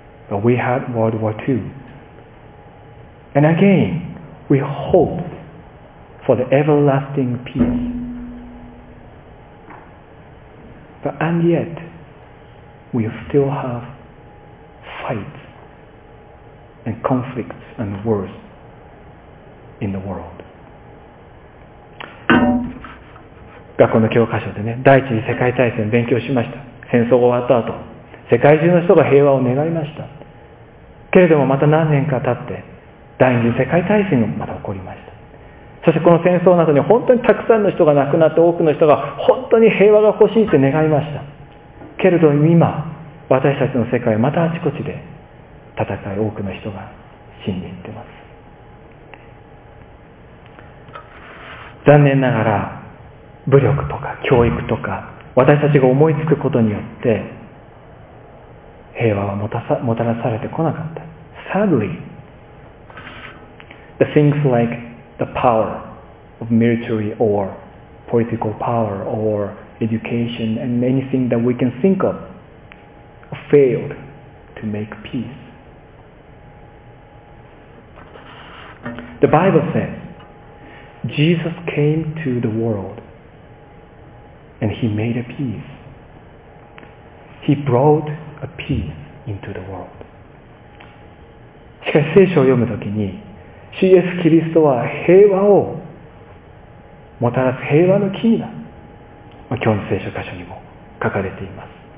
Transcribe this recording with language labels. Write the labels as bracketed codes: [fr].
[en] But we had World War II. And again, we hoped for the everlasting peace. But and yet, we still have fights and conflicts and wars in the world. [ja] 学校の教科書でね、第一次世界大戦勉強しました。戦争が終わった後、世界中の人が平和を願いました。けれどもまた何年か経って第二次世界大戦がまた起こりました。そしてこの戦争の後に本当にたくさんの人が亡くなって、多くの人が本当に平和が欲しいって願いました。けれども今私たちの世界はまたあちこちで戦い、多くの人が死んでいってます。残念ながら武力とか教育とか私たちが思いつくことによって平和はもたらされてこなかった。 [en] Sadly, the things like the power of military or political power or education and anything that we can think of failed to make peace. The Bible says, Jesus came to the world and he made a peace. He broughtA peace into the world. [ja] しかし聖書を読むときに、主イエス・キリストは平和をもたらす平和の君だ、まあ、今日の聖書箇所にも書かれています。